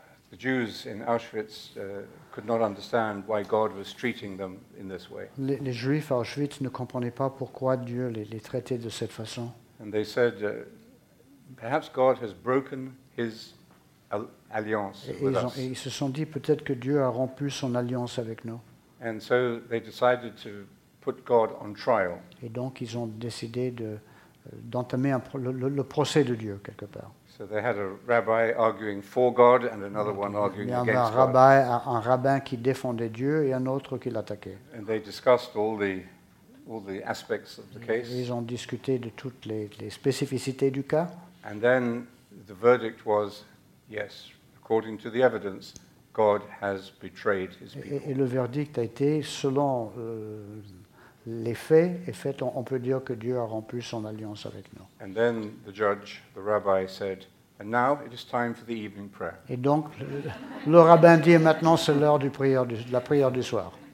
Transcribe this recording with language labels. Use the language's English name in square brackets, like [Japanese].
[English] The Jews in Auschwitz could not understand why God was treating them in this way. [French] Les Juifs à Auschwitz ne comprenaient pas pourquoi Dieu les traitait de cette façon. [English] And they said, perhaps God has broken his alliance with us. [French] Et ils se sont dit peut-être que Dieu a rompu son alliance avec nous. [English] And so they decided to put God on trial. [French] Et donc ils ont décidé d'entamer le procès de Dieu quelque part. [English] So they had a rabbi arguing for God and another one arguing against God. [French] Il y a un rabbin qui défendait Dieu et un autre qui l'attaquait. [English] And they discussed all the aspects of the case. [French] Ils ont discuté de toutes les spécificités du cas. [English] And then the verdict was yes, according to the evidence. God has betrayed his people. [French] Et le verdict a été, selon les faits, et fait, on peut dire que Dieu a rompu son alliance avec nous. [English] And then the judge, the rabbi said, and now it is time for the evening prayer. [French] Et donc, le rabbin dit, maintenant c'est l'heure du prière, de la prière du soir.